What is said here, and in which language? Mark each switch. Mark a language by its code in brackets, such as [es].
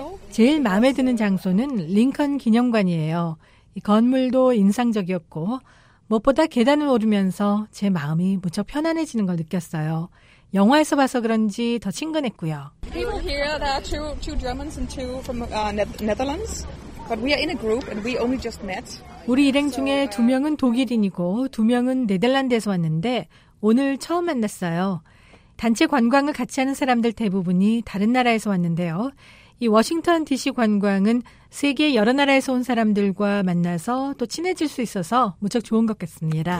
[ko] 제일 마음에 드는 장소는 링컨 기념관이에요. 이 건물도 인상적이었고 무엇보다 계단을 오르면서 제 마음이 무척 편안해지는 걸 느꼈어요. 영화에서 봐서 그런지 더 친근했고요. [en] People here are two Germans and two from Netherlands. But we are in a group and we only just met. [ko] 우리 일행 중에 두 명은 독일인이고 두 명은 네덜란드에서 왔는데 오늘 처음 만났어요. 단체 관광을 같이 하는 사람들 대부분이 다른 나라에서 왔는데요. 이 워싱턴 DC 관광은 세계 여러 나라에서 온 사람들과 만나서 또 친해질 수 있어서 무척 좋은 것 같습니다.